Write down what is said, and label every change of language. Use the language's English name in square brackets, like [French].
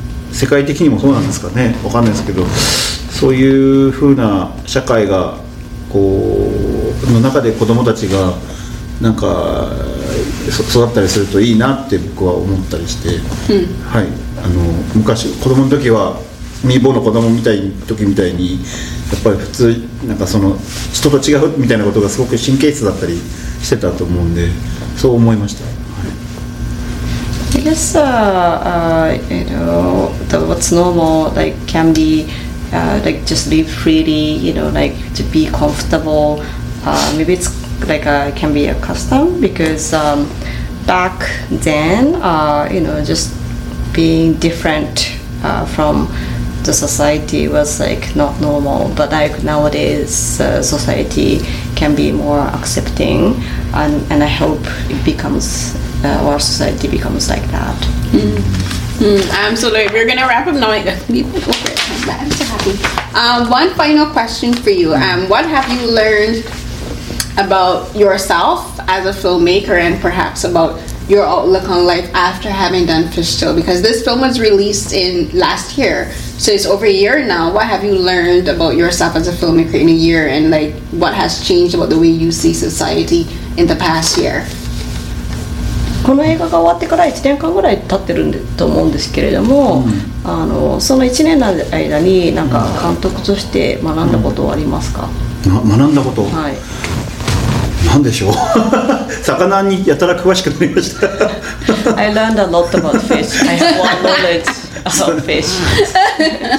[Japanese] 世界的にもそうなんですかね、わかんないですけど、そういう風な社会がこうの中で子供たちがなんか育ったりするといいなって僕は思ったりして、はい、昔子供の時は未亡の子供みたいな時みたいに、やっぱり普通なんかその人と違うみたいなことがすごく神経質だったりしてたと思うんで、そう思いました。 [English] I guess, you know, what's normal, like, can be, like, just live freely, you know, like, to be comfortable. Maybe it's, like, can be a custom, because back then, you know, just being different from the society was, like, not normal. But, like, nowadays, society can be more accepting, and I hope it becomes... our society becomes like that. I'm so late. We're gonna wrap up now. I'm so happy. One final question for you. What have you learned about yourself as a filmmaker, and perhaps about your outlook on life after having done Fish Tale? Because this film was released in last year, so it's over a year now. What have you learned about yourself as a filmmaker in a year, and like what has changed about the way you see society in the past year? [Japanese] この映画が終わってから1年間ぐらい経ってると思うんですけれども、その1年の間に何か監督として学んだことはありますか？学んだこと、はい、何でしょう魚にやたら詳しくなりました。 [English] I learned a lot about fish. I have one knowledge about fish.